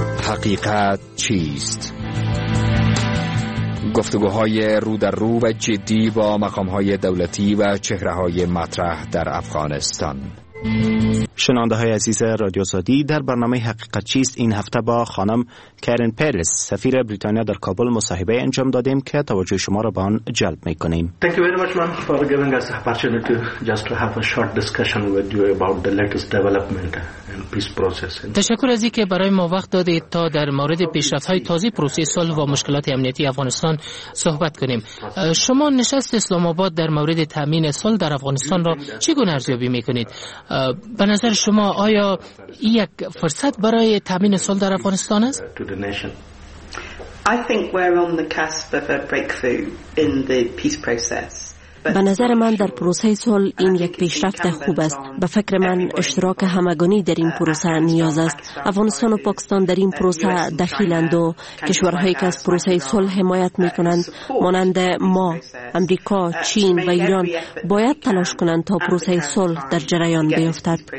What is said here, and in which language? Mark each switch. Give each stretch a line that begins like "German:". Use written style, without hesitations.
Persian: حقیقت چیست؟ گفتگوهای رو در رو و جدی با مقامهای دولتی و چهره های مطرح در افغانستان. شنونده های عزیز رادیو زادی، در برنامه حقیقت چیست این هفته با خانم کارن پیرس سفیر بریتانیا در کابل مصاحبه انجام دادیم که توجه شما را به آن جلب می کنیم.
English: Thank you very much man for giving us the opportunity just to have a short discussion with you about the latest development and peace process.
Persian: تشکر از اینکه برای ما وقت دادید تا در مورد پیشرفت های تازه پروسه صلح و مشکلات امنیتی افغانستان صحبت کنیم. شما نشست اسلام آباد در مورد تامین صلح در افغانستان را چگونه ارزیابی می کنید؟ به نظر شما آیا این یک فرصت برای تامین صلح در افغانستان است؟
English: I think we're on the cusp of a breakthrough in the peace process.
Persian: به نظر من در پروسه صلح این یک پیشرفت خوب است. به فکر من اشتراک همگانی در این پروسه نیاز است. افغانستان و پاکستان در این پروسه دخیلند و کشورهایی که از پروسه صلح حمایت می کنند مانند ما، امریکا، چین و ایران باید تلاش کنند تا پروسه صلح در جریان بیفتد.